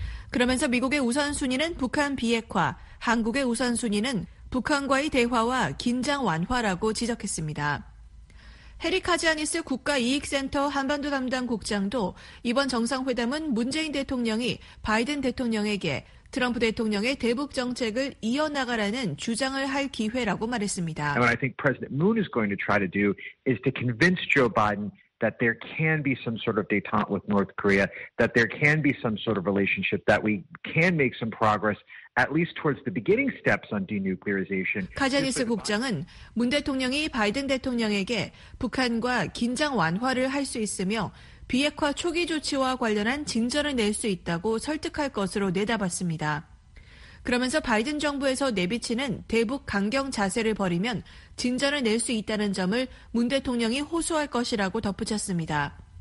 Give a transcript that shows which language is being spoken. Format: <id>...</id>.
<ko>그러면서 미국의 우선순위는 북한 비핵화, 한국의 우선순위는 북한과의 대화와 긴장 완화라고 지적했습니다. 해리 카지아니스 국가이익센터 한반도 담당 국장도 이번 정상회담은 문재인 대통령이 바이든 대통령에게 트럼프 대통령의 대북 정책을 이어나가라는 주장을 할 기회라고 말했습니다.</ko> <en>What I think President Moon is going to try to do is to convince Joe Biden that there can be some sort of detente with North Korea, that there can be some sort of relationship, that we can make some progress at least towards the beginning steps on denuclearization.</en> <ko>카자니스 국장은 문 대통령이 바이든 대통령에게 북한과 긴장 완화를 할 수 있으며 비핵화 초기 조치와 관련한 진전을 낼 수 있다고 설득할 것으로 내다봤습니다. 그러면서 바이든 정부에서 내비치는 대북 강경 자세를 버리면 진전을 낼 수 있다는 점을 문 대통령이 호소할 것이라고 덧붙였습니다.</ko>